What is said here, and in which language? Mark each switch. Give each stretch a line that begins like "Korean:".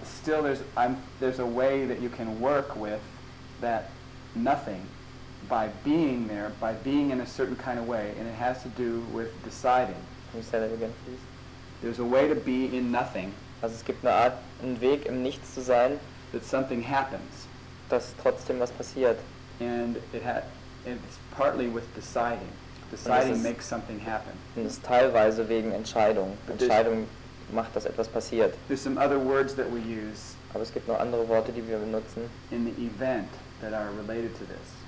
English: Still there's a way that you can work with that nothing by being there, by being in a certain kind of way, and it has to do with deciding. Can you say that again, please? There's a way to be in nothing.
German: Also es gibt eine Art, einen Weg im Nichts zu sein.
English: That something happens.
German: Dass trotzdem was passiert.
English: And it's partly with deciding. Deciding makes something happen.
German: Und es ist teilweise wegen Entscheidung. Entscheidung macht, dass etwas passiert.
English: There's some other words that we use.
German: Aber es gibt noch andere Worte, die wir benutzen.
English: In the event that are related to this.